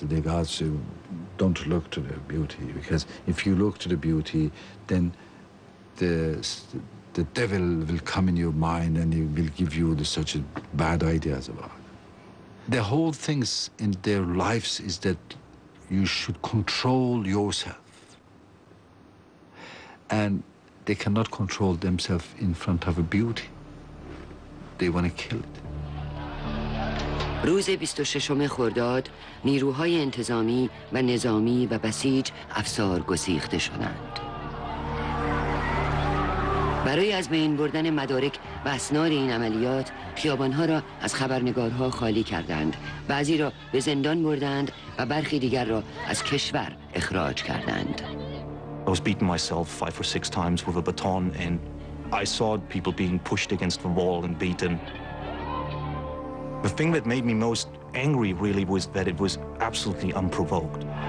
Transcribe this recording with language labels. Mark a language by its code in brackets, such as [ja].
[en] The gods don't look to their beauty, because if you look to the beauty, then the devil will come in your mind and he will give you such bad ideas about it. The whole thing in their lives is that you should control yourself. And they cannot control themselves in front of a beauty. They want to kill it. [fa] روز 26 خرداد نیروهای انتظامی و نظامی و بسیج افسار گسیخته شدند. برای از بین بردن مدارک و اسناد این عملیات، خیابانها را از خبرنگارها خالی کردند. بعضی را به زندان بردند و برخی دیگر را از کشور اخراج کردند. [en] I was beating myself 5 or 6 times with a baton and I saw people being pushed against the wall and beaten. The thing that made me most angry, really, was that it was absolutely unprovoked.